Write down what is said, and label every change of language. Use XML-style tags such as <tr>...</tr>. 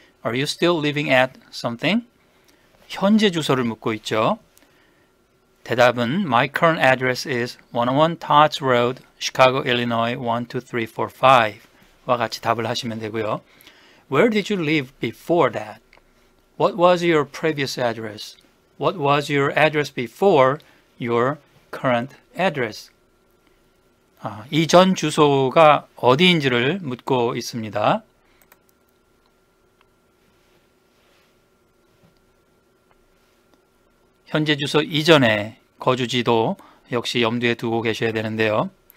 <en>Are you still living at something?</en> <ko>현재 주소를 묻고 있죠. 대답은</ko> <en>My current address is 101 Tots Road, Chicago, Illinois 12345.</en> <ko>와 같이 답을 하시면 되고요.</ko> <en>Where did you live before that? What was your previous address? What was your address before your current address?</en> <ko>이전 주소가 어디인지를 묻고 있습니다. 현재 주소 이전에 거주지도 역시 염두에 두고 계셔야 되는데요.</ko>